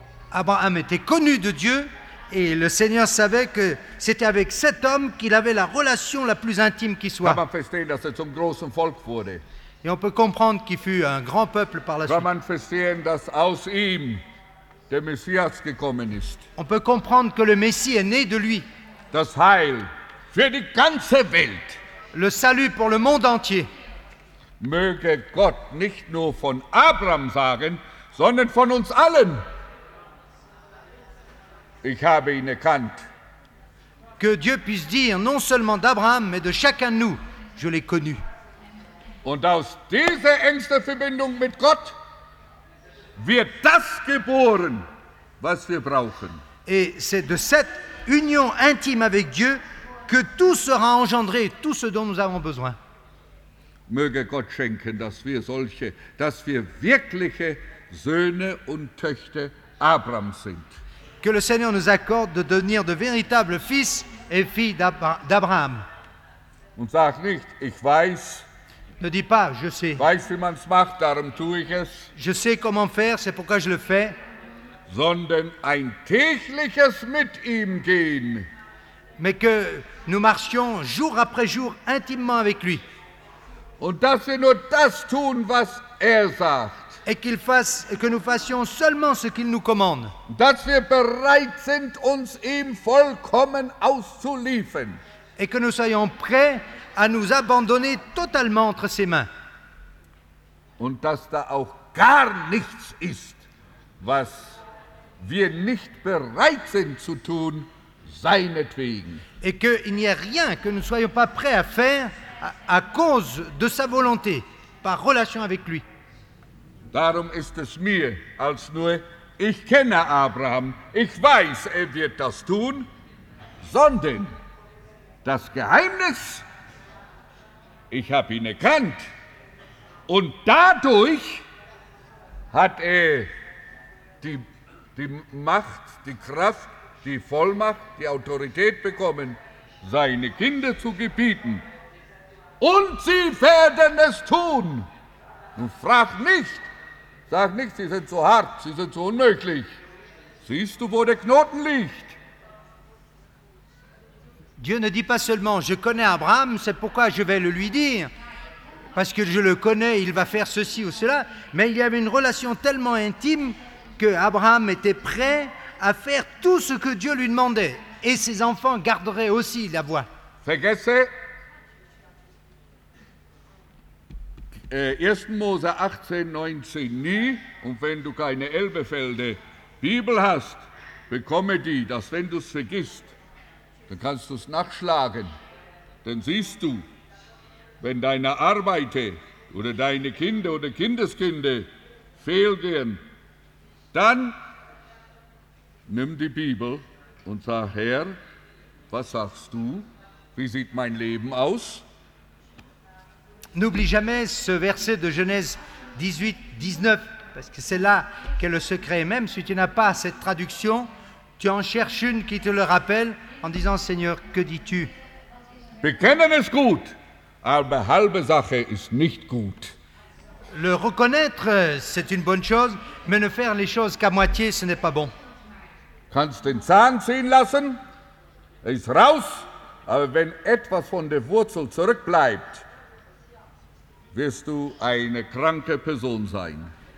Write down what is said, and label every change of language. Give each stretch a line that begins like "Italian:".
French: Abraham était connu de Dieu et le Seigneur savait que c'était avec cet homme qu'il avait la relation la plus intime qui soit.
German: Kann man verstehen, dass er zum großen Volk wurde.
French: Et on peut comprendre qu'il fut un grand peuple par la suite.
German: Kann man verstehen, dass aus ihm der Messias gekommen ist.
French: On peut comprendre que le Messie est né de lui.
German: Das Heil für die ganze Welt.
French: Le salut pour le monde entier.
German: Möge Gott nicht nur von Abraham sagen, sondern von uns allen. Ich habe ihn erkannt.
French: Que Dieu puisse dire non seulement d'Abraham, mais de chacun de nous, je l'ai connu.
German: Und aus dieser engsten Verbindung mit Gott wird das geboren, was wir brauchen.
French: Et c'est de cette union intime avec Dieu que tout sera engendré, tout ce dont nous avons besoin.
German: Möge Gott schenken, dass wir wirkliche Söhne und Töchter Abrahams sind.
French: Que le Seigneur nous accorde de devenir de véritables fils et filles d'Abraham.
German: Und sag nicht, ich weiß.
French: Ne dis pas, je sais.
German: Weißt, wie man's macht, darum tue ich es.
French: Je sais comment faire, c'est pourquoi je le fais.
German: Sondern ein tägliches mit ihm gehen.
French: Mais que nous marchions jour après jour intimement avec lui.
German: Und dass wir nur das tun, was er sagt.
French: Et qu'il fasse, que nous fassions seulement ce qu'il nous commande.
German: Dass wir bereit sind, uns ihm vollkommen auszuliefern.
French: Et que nous soyons prêts à nous abandonner totalement entre ses mains.
German: Und dass da auch gar nichts ist, was wir nicht bereit sind zu tun, seinetwegen.
French: Et qu'il n'y ait rien que nous ne soyons pas prêts à faire à cause de sa volonté, par relation avec lui.
German: Darum ist es mir, als nur ich kenne Abraham, ich weiß, er wird das tun, sondern das Geheimnis, ich habe ihn erkannt und dadurch hat er die Macht, die Kraft, die Vollmacht, die Autorität bekommen, seine Kinder zu gebieten. Und sie werden es tun. Nun frag nicht, sag nicht, sie sind zu hart, sie sind zu unmöglich. Siehst du, wo der Knoten liegt?
French: Dieu ne dit pas seulement, je connais Abraham, c'est pourquoi je vais le lui dire. Parce que je le connais, il va faire ceci ou cela. Mais il y avait une relation tellement intime que Abraham était prêt à faire tout ce que Dieu lui demandait. Et ses enfants garderaient aussi la voie.
German: Vergesse 1. Mose 18, 19 nie. Und wenn du keine Elbefelde Bibel hast, bekomme die, dass wenn du es vergisst, dann kannst du es nachschlagen. Dann siehst du, wenn deine Arbeit oder deine Kinder oder Kindeskinder fehlgehen, dann nimm die Bibel und sag, Herr, was sagst du? Wie sieht mein Leben aus?
French: N'oublie jamais ce verset de Genèse 18, 19, parce que c'est là qu'est le secret. Même si tu n'as pas cette traduction, tu en cherches une qui te le rappelle en disant, Seigneur, que dis-tu?
German: Bekennen ist gut, aber halbe Sache ist nicht gut.
French: Le reconnaître, c'est une bonne chose, mais ne faire les choses qu'à moitié, ce n'est pas bon.
German: Kannst den Zahn ziehen lassen, er ist raus, aber wenn etwas von der Wurzel zurückbleibt, wirst du eine kranke Person sein.